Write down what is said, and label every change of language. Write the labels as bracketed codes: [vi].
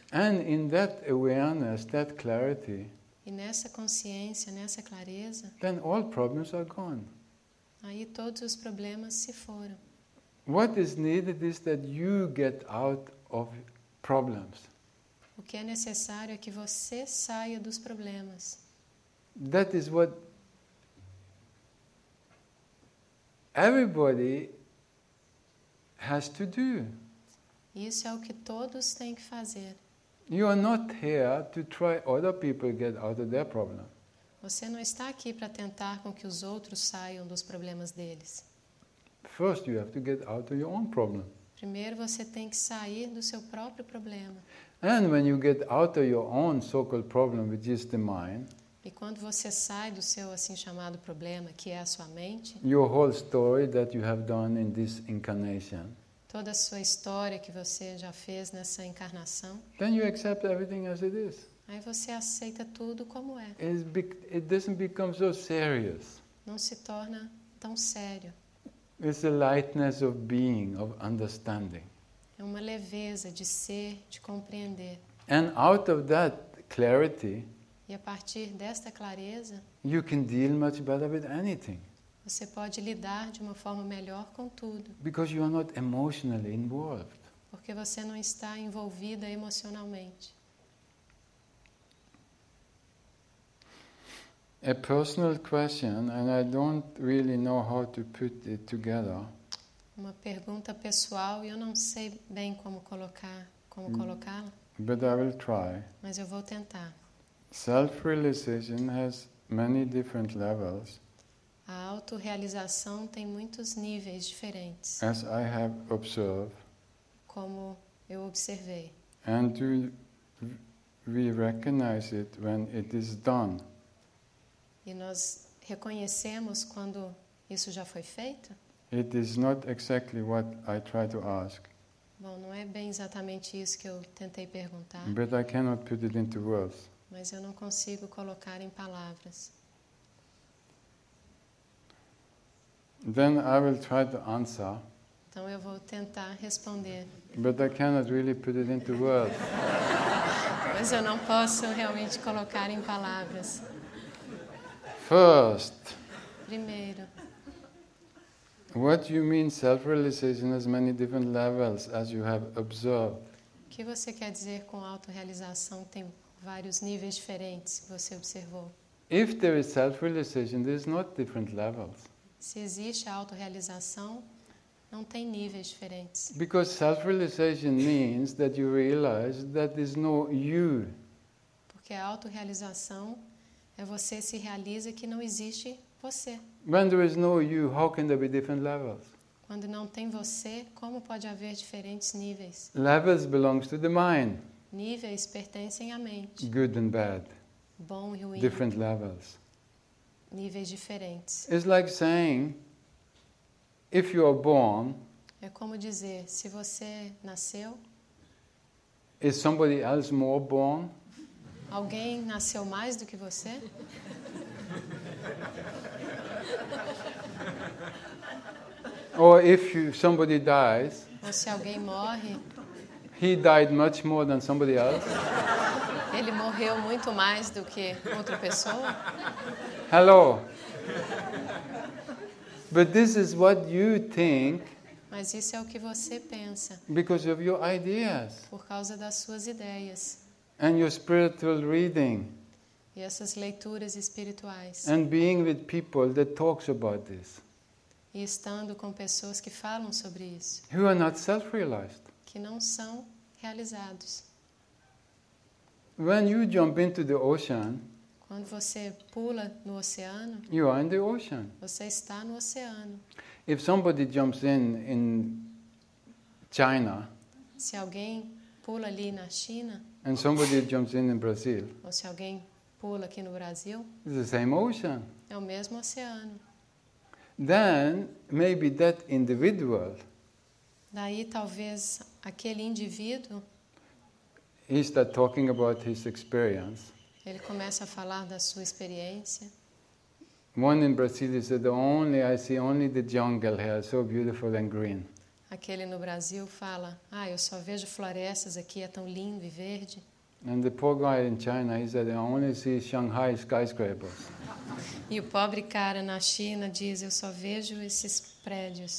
[en] And in that awareness, that clarity. [pt] E nessa consciência, nessa clareza. [en] Then all problems are gone. [pt] Aí todos os problemas se foram. [en] What is needed is that you get out of problems. [pt] O que é necessário é que você saia dos problemas. [en] That is what everybody has to do. [pt] Isso é o que todos têm que fazer. [en] You are not here to try other people get out of their problem. [pt] Você não está aqui para tentar com que os outros saiam dos problemas deles. [en] First you have to get out of your own problem. [pt] Primeiro você tem que sair do seu próprio problema. [en] And when you get out of your own so-called problem, which is the mind, [pt] e quando você sai do seu assim chamado problema, que é a sua mente, [en] your whole story that you have done in this incarnation, [pt] toda a sua história que você já fez nessa encarnação, [en] then you accept everything as it is. [pt] Aí você aceita tudo como é. [en] It doesn't become so serious. [pt] Não se torna tão sério. [en] It's a lightness of being, of understanding. [pt] É uma leveza de ser, de compreender. [en] And out of that clarity, [pt] e a partir desta clareza, [en] you can deal much better with anything. [pt] Você pode lidar de uma forma melhor com tudo. [en] Because you are not emotionally involved. [pt] Porque você não está envolvida emocionalmente. [en] A personal question, and I don't really know how to put it together. [pt] Uma pergunta pessoal e eu não sei bem como colocá-la. [en] But I will try. [pt] Mas eu vou tentar. [en] Self-realization has many different levels. [pt] A autorrealização tem muitos níveis diferentes. [en] As I have observed. [pt] Como eu observei. [en] And do we recognize it when it is done? [pt] E nós reconhecemos quando isso já foi feito? [en] It is not exactly what I try to ask. [pt] Bom, não é bem exatamente isso que eu tentei perguntar. [en] But I cannot put it into words. [pt] Mas eu não consigo colocar em palavras. [en] Then I will try to answer. [pt] Então eu vou tentar responder. [en] But I cannot really put it into words. [pt] Mas eu não posso realmente colocar em palavras. [en] First. [pt] Primeiro. [en] What you mean self-realization has many different levels as you have observed? [pt] O que você quer dizer com autorrealização tem vários níveis diferentes que você observou? [en] If there is self-realization, there is not different levels. [pt] Se existe a autorrealização, não tem níveis diferentes. [en] Because self-realization means that you realize that there is no you. [pt] Porque a autorrealização é você se realiza que não existe você. [en] When there is no you, how can there be different levels? [pt] Quando não tem você, como pode haver diferentes níveis? [en] Levels belongs to the mind. [pt] Níveis pertencem à mente. [en] Good and bad. [pt] Bom e ruim. [en] Different levels. [pt] Níveis diferentes. [en] It's like saying, if you are born. [pt] É como dizer, se você nasceu. [en] Is somebody else more born? [pt] Alguém nasceu mais do que você? [en] Or if somebody dies. [pt] Ou se alguém morre. [en] He died much more than somebody else. [pt] Ele morreu muito mais do que outra pessoa. [en] Hello. But this is what you think. [pt] Mas isso é o que você pensa. [en] Because of your ideas. [pt] Por causa das suas ideias. [en] And your spiritual reading. [pt] E essas leituras espirituais. [en] And being with people that talks about this. [pt] E estando com pessoas que falam sobre isso. [en] Who are not self-realized. [pt] Que não são realizados. [en] When you jump into the ocean, [pt] quando você pula no oceano, [en] you are in the ocean. [pt] Você está no oceano. [en] If somebody jumps in China, [pt] se alguém pula ali na China, [en] and somebody jumps in Brazil, [pt] ou se alguém pula aqui no Brasil, [en] it's the same ocean. [pt] É o mesmo oceano. [en] Then maybe that individual, [pt] daí talvez aquele indivíduo, [en] he starts talking about his experience. [pt] Ele começa a falar da sua experiência. [en] One in Brazil said, "Only I see only the jungle here, so beautiful and green." [pt] Aquele no Brasil fala, "Ah, eu só vejo florestas aqui, é tão lindo e verde." [en] And the poor guy in China, he said, "I only see Shanghai skyscrapers." [pt] E o pobre cara na China diz, "Eu só vejo esses prédios."